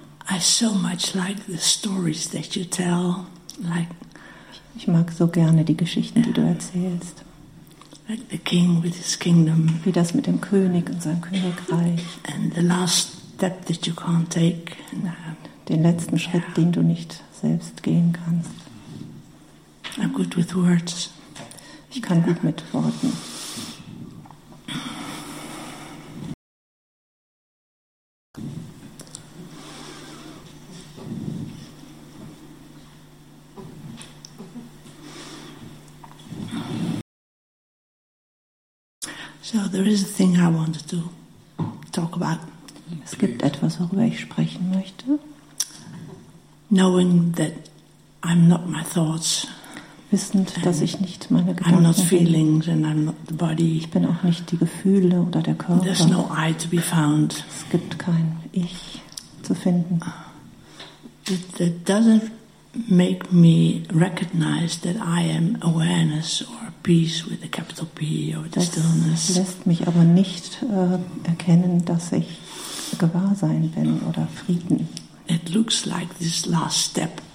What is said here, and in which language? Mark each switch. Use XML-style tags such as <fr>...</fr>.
<en>I so much like the stories that you tell. Like,</en> <de>ich mag so gerne die Geschichten, die du erzählst.</de> <en>Like the king with his kingdom.</en> <de>Wie das mit dem König und seinem Königreich.</de> <en>And the last step that you can't take.</en> <de>Den letzten Schritt, den du nicht selbst gehen kannst.</de> <en>I'm good with words.</en> <de>Ich kann gut mit Worten.</de> <en>So there is a thing I wanted to talk about.</en> <de>Es gibt etwas, worüber ich sprechen möchte.</de> <en>Knowing that I'm not my thoughts.</en> <de>Wissend, dass ich nicht meine Gedanken</de> <en>I'm not feelings and I'm not the body.</en> <de>Ich bin auch nicht die Gefühle oder der Körper.</de> <en>There's no I to be found.</en> <de>Es gibt kein Ich zu finden.</de> <en>That doesn't make me recognize that I am awareness or peace with a capital P or the stillness.</en> <de>Das lässt mich aber nicht erkennen, dass ich Gewahrsein bin oder Frieden.</de> <en>It looks like this last step.</en>